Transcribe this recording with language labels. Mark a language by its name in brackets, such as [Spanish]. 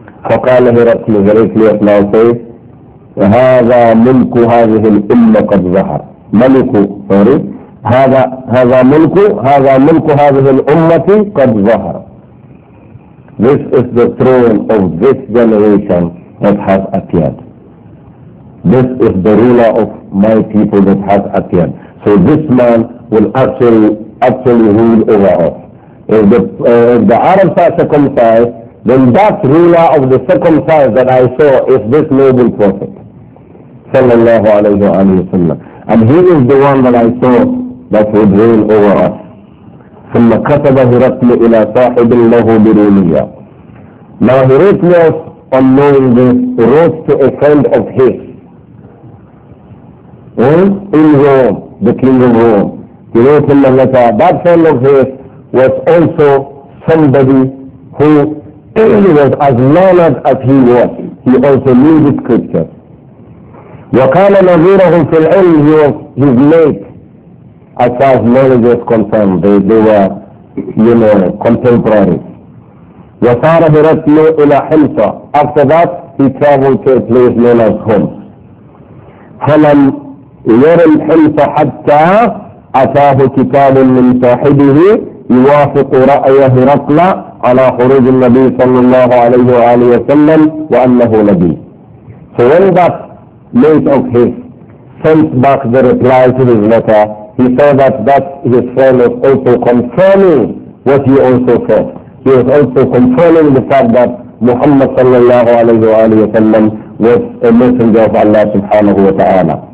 [English] فَقَالَ هِرَسْلُ, very clear now says, هَذَا مُلْكُ هَذِهِ الْإِمَّ قَدْ ظَهَرْ, مَلِكُ, sorry, هَذَا مُلْكُ هَذِهِ الْأُمَّةِ قَدْ ظَهَرْ, this is the throne of this generation that has appeared, this is the ruler of my people that has appeared, so this man will actually rule over us. If the Arabs are circumcised, then that ruler of the circumcised that I saw is this noble prophet sallallahu alayhi wa sallam, and he is the one that I saw that would rule over us. [Arabic] ثم كتب هرقل إلى صاحب له برومية. [English] Now Hirakl, on knowing this, wrote to a friend of his in Rome, the king of Rome. He wrote him a letter. That friend of his was also somebody who was as learned as he was. He also knew the scriptures. وكان نظيره في العلم, he was his mate as far as knowledge was concerned. They were, you know, contemporaries. [Arabic] وصار هرقل إلى حمص. [English] After that, he traveled to a place known as Homs. [Arabic] فلم ير الحمص حتى أتاه كتاب من صاحبه يوافق رأي هرقل على خروج النبي صلى الله عليه وآله وسلم وأنه نبي. [English] So when that mate of his sent back the reply to his letter, he saw that his friend was also confirming what he also saw. He was also confirming the fact that Muhammad sallallahu alayhi wa sallam was a messenger of Allah subhanahu wa ta'ala.